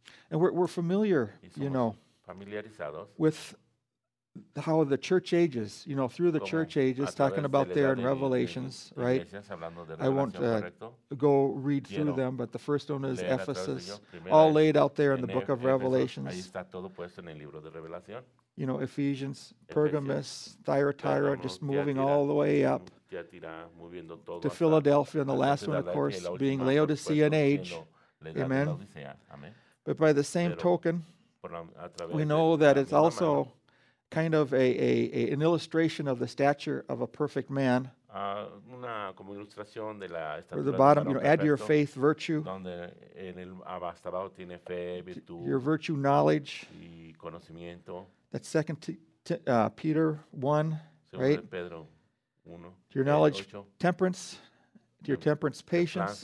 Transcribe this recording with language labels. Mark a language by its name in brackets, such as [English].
[English] And we're familiar, you know, [Spanish] familiarizados [English] with how the church ages, you know, through the [Spanish] como [English] church ages, talking about there in Revelations, [Spanish] de [English] right? [Spanish] Iglesias, hablando de [English] I won't go read through [Spanish] quiero [English] them, but the first one is Ephesus, all laid out there in the book of Revelations. [Spanish] Ahí está todo puesto en el libro de Revelación. [English] You know, Ephesians, Pergamos, Thyatira, just moving all the way up to Philadelphia, and the last one, of course, being Laodicean age. Amen. But by the same token, we know that it's also kind of an illustration of the stature of a perfect man. [Spanish] Una, como ilustración de la [English] estatura the bottom, you know, add your faith, virtue. [Spanish] Donde en el hasta abajo tiene fe, virtud, [English] your virtue, knowledge. [Spanish] Y conocimiento. [English] That's 2 Peter 1, [Spanish] segundo [English] right? [Spanish] Pedro uno, [English] to your knowledge, temperance. To your temperance, patience.